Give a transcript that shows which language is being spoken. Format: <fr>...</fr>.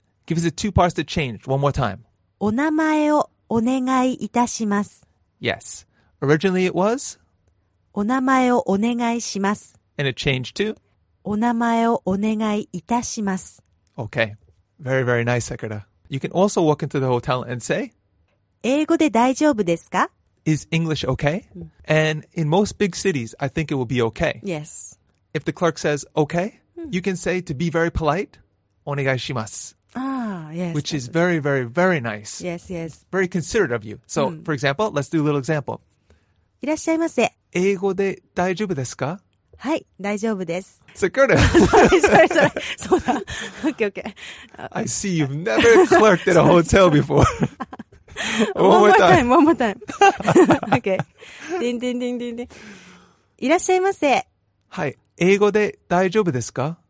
<en>Give us the two parts to change one more time.</en> <ja>お名前をお願いいたします。</ja> <en>Yes. Originally it was?</en> <ja>お名前をお願いします。</ja> <en>And it changed to?</en> <ja>お名前をお願いいたします。</ja> <en>Okay. Very, very nice, Sakura. You can also walk into the hotel and say?</en> <ja>英語で大丈夫ですか?</ja> <en>Is English okay? And in most big cities, I think it will be okay. Yes. If the clerk says okay, you can say to be very polite,</en> <ja>お願いします。</ja> <en>Yes, which is very, very, very nice. Yes, yes. Very considerate of you. So, for example, let's do a little example.</en> <ja>いらっしゃいませ。英語で大丈夫ですか? はい、大丈夫です。</ja> <en>Sakura! sorry.</en> <ja>そうだ。</ja> <en>Okay. I see you've never clerked at a hotel before. one more time. Okay. ding, ding, ding, ding, ding.</en> <ja>いらっしゃいませ。はい、英語で大丈夫ですか?</ja>